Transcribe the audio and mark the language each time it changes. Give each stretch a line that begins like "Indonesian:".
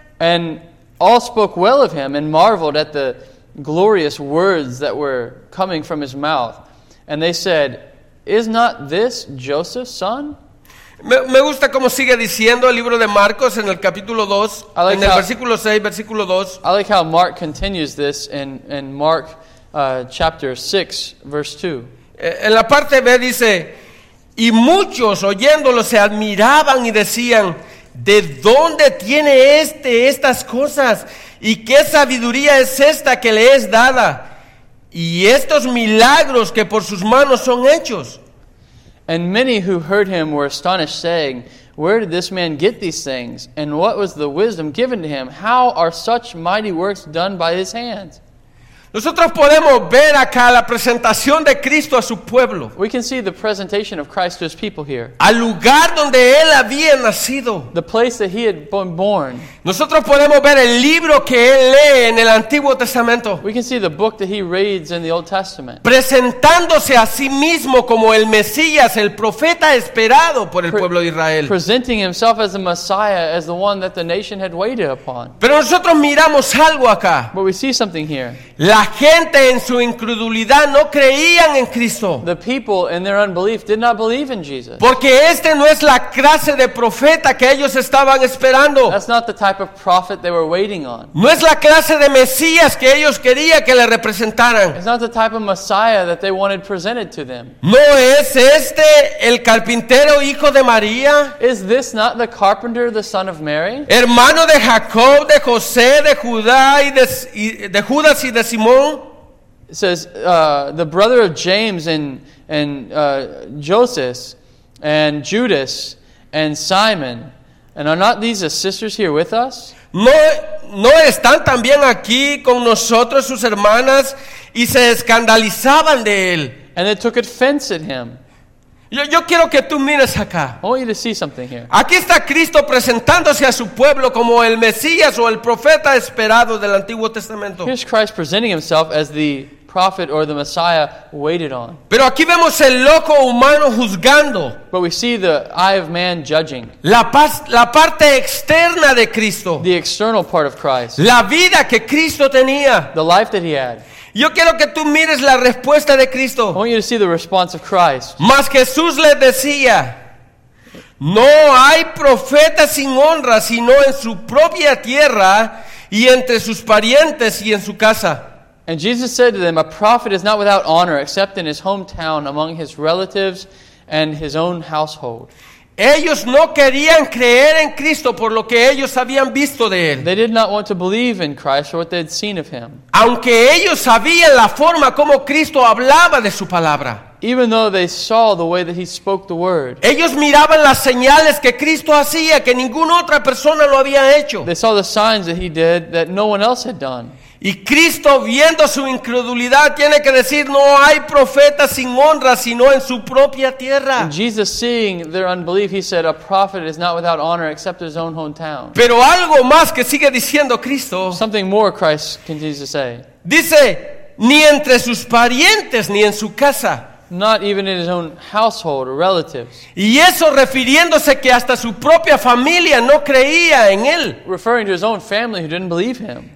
English: And all spoke well of him and marveled at the glorious words that were coming from his mouth. And they said, is not this Joseph's son?
Spanish: Me gusta cómo sigue diciendo el libro de Marcos en el capítulo 2,
English: like
Spanish: en el versículo 6, versículo 2.
English: I like how Mark continues this in Mark chapter 6, verse 2.
Spanish: En la parte B dice, y muchos oyéndolo se admiraban y decían, ¿de dónde tiene este estas cosas? ¿Y qué sabiduría es esta que le es dada? ¿Y estos milagros que por sus manos son hechos?
English: And many who heard him were astonished, saying, where did this man get these things? And what was the wisdom given to him? How are such mighty works done by his hands?
Spanish: Nosotros podemos ver acá la presentación de Cristo a su pueblo.
English: We can see the presentation of Christ to his people here.
Spanish: Al lugar donde él había nacido.
English: The place that he had been born.
Spanish: Nosotros podemos ver el libro que él lee en el Antiguo Testamento.
English: We can see the book that he reads in the Old Testament.
Spanish: Presentándose a sí mismo como el Mesías, el profeta esperado por el pueblo de Israel.
English: Presenting himself as the Messiah, as the one that the nation had waited upon.
Spanish: Pero nosotros miramos algo acá.
English: But we see something here.
Spanish: La gente en su incredulidad no creían en Cristo.
English: The people in their unbelief did not believe in Jesus.
Spanish: Porque este no es la clase de profeta que ellos estaban esperando.
English: That's not the type of prophet they were waiting on.
Spanish: No es la clase de Mesías que ellos querían que le representaran.
English: It's not the type of Messiah that they wanted presented to them.
Spanish: ¿No es este el carpintero hijo de María?
English: Is this not the carpenter, the son of Mary?
Spanish: Hermano de Jacob, de José, de Judá y de Judas y de Simón.
English: It says the brother of James and Joseph and Judas and Simon, and are not these the sisters here with us?
Spanish: No están también aquí con nosotros sus hermanas y se escandalizaban de él.
English: And they took offense at him.
Spanish: Yo quiero que tú mires acá.
English: I want you to see something here.
Spanish: Aquí está Cristo presentándose a su pueblo como el Mesías o el profeta esperado del Antiguo Testamento.
English: Here's Christ presenting himself as the prophet or the Messiah waited on.
Spanish: Pero aquí vemos el loco humano juzgando.
English: But we see the eye of man judging.
Spanish: La parte externa de Cristo.
English: The external part of Christ.
Spanish: La vida que Cristo tenía.
English: The life that he had.
Spanish: Yo quiero que tú mires la respuesta de Cristo.
English: I want you to see the response of Christ.
Spanish: Mas Jesús les decía, no hay profeta sin honra, sino en su propia tierra, y entre sus parientes y en su casa.
English: And Jesus said to them, a prophet is not without honor, except in his hometown, among his relatives and his own household.
Spanish: Ellos no querían creer en Cristo por lo que ellos habían visto de él.
English: They did not want to believe in Christ or what they had seen of him.
Spanish: Aunque ellos sabían la forma como Cristo hablaba de su palabra.
English: Even though they saw the way that he spoke the word.
Spanish: Ellos miraban las señales que Cristo hacía que ninguna otra persona lo había hecho.
English: They saw the signs that he did that no one else had done.
Spanish: Y Cristo, viendo su incredulidad, tiene que decir, no hay profeta sin honra, sino en su propia tierra.
English: And Jesus, seeing their unbelief, he said, a prophet is not without honor except his own hometown.
Spanish: Pero algo más que sigue diciendo Cristo.
English: Something more Christ continues to say.
Spanish: Dice, ni entre sus parientes, ni en su casa.
English: Not even in his own household or relatives.
Spanish: Y eso refiriéndose que hasta su propia familia no creía en él.
English: Referring to his own family who didn't believe him.